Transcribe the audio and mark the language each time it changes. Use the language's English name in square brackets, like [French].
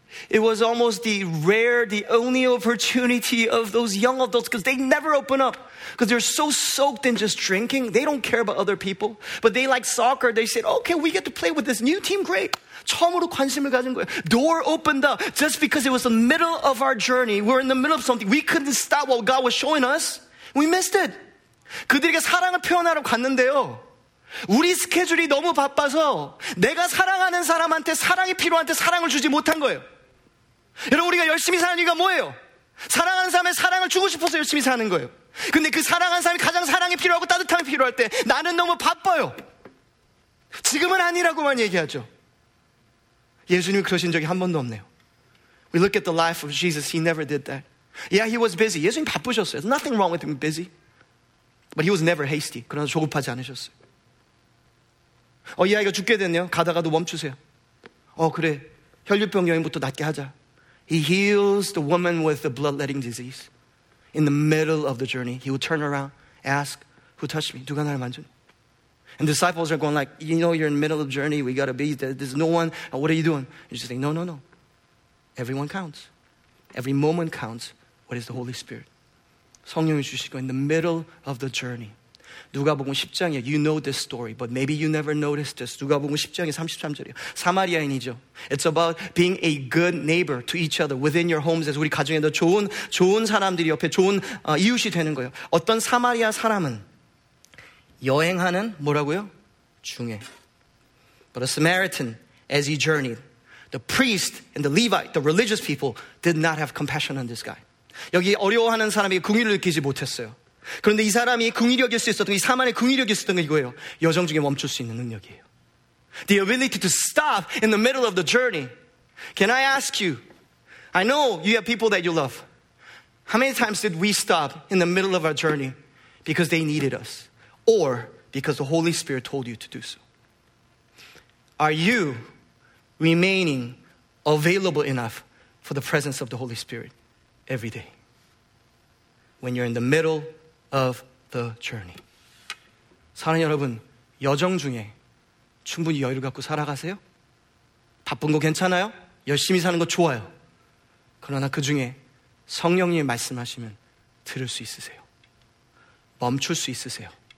[English] It was almost the rare, the only opportunity of those young adults because they never open up. Because they're so soaked in just drinking. They don't care about other people. But they like soccer. They said, okay, we get to play with this new team. Great. [Korean] 처음으로 관심을 가진 거예요. [English] Door opened up just because it was the middle of our journey. We're in the middle of something. We couldn't stop what God was showing us. We missed it. [Korean] 그들에게 사랑을 표현하러 갔는데요. 우리 스케줄이 너무 바빠서 내가 사랑하는 사람한테 사랑이 필요한테 사랑을 주지 못한 거예요. 여러분 우리가 열심히 사는 이유가 뭐예요? 사랑하는 사람의 사랑을 주고 싶어서 열심히 사는 거예요. 근데 그 사랑하는 사람이 가장 사랑이 필요하고 따뜻함이 필요할 때 나는 너무 바빠요. 지금은 아니라고만 얘기하죠. 예수님이 그러신 적이 한 번도 없네요. [English] We look at the life of Jesus. He never did that. Yeah, he was busy. [Korean] 예수님 바쁘셨어요. [English] There's nothing wrong with him busy. But he was never hasty. [Korean] 그러나 조급하지 않으셨어요. 어, 이 아이가 죽게 됐네요. 가다가도 멈추세요. 어, 그래. 혈류병 여인부터 낫게 하자. [English] He heals the woman with the bloodletting disease. In the middle of the journey, he would turn around, ask, who touched me? [Korean] 누가 나를 만졌니? [English] And disciples are going like, you know, you're in the middle of the journey. We got to be there. There's no one. What are you doing? And you're just saying, no, no, no. Everyone counts. Every moment counts. What is the Holy Spirit? [Korean] 성령이 주시고 [English] in the middle of the journey. [Korean] 누가복음 10장이에요. [English] You know this story, but maybe you never noticed this. [Korean] 누가복음 10장이 33절이에요. 사마리아인이죠. [English] It's about being a good neighbor to each other within your homes. [Korean] 그래서 우리 가정에도 좋은 사람들이 옆에 좋은 이웃이 되는 거예요. 어떤 사마리아 사람은 여행하는 뭐라고요? 중에. [English] But a Samaritan, as he journeyed, the priest and the Levite, the religious people, did not have compassion on this guy. [Korean] 여기 어려워하는 사람이 궁휼을 느끼지 못했어요. 그런데 이 사람이 궁휼히 여길 수 있었던 이 사마리아 궁휼히 여길 수 있었던 게 이거예요. 여정 중에 멈출 수 있는 능력이에요. [English] The ability to stop in the middle of the journey. Can I ask you? I know you have people that you love. How many times did we stop in the middle of our journey because they needed us? Or because the Holy Spirit told you to do so? Are you remaining available enough for the presence of the Holy Spirit every day? When you're in the middle of the journey. [Korean] 사랑하는 여러분, 여정 중에 충분히 여유를 갖고 살아가세요? 바쁜 거 괜찮아요? 열심히 사는 거 좋아요. 그러나 그 중에 성령님이 말씀하시면 들을 수 있으세요. 멈출 수 있으세요.